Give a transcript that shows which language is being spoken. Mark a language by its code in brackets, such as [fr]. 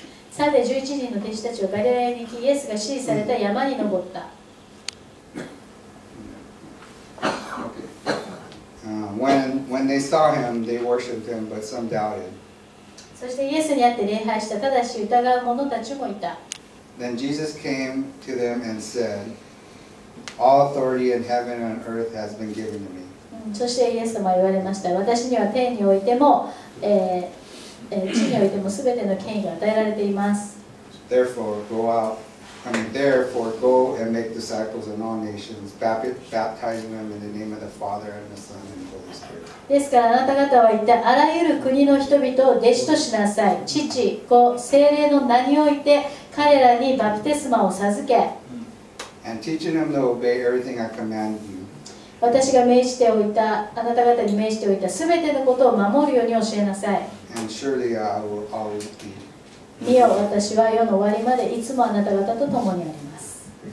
[ja] さて11人の弟子たちはガリラヤに行きイエスが指示された山に登った。 [en] when they saw him, they worshipped him, but some doubted. [ja] そしてイエスに会って礼拝したただし疑う者たちもいた。 [en] Then Jesus came to them and said, All authority in heaven and earth has been given to me. [ja] そしてイエス様は言われました。私には天においても、地においても全ての権威が与えられています。 [en] Therefore go and make disciples in all nations, baptizing them in the name of the Father and the Son and Holy Spirit. [ja] ですからあなた方は言ったあらゆる国の人々を弟子としなさい。父、子、聖霊の名において彼らにバプテスマを授け、 [en] And teaching them to obey everything I command you. [ja] 私が命じておいた、あなた方に命じておいたすべてのことを守るように教えなさい。 [en] And surely I will always be. [ja] 見よ、私は世の終わりまでいつもあなた方と共にあります。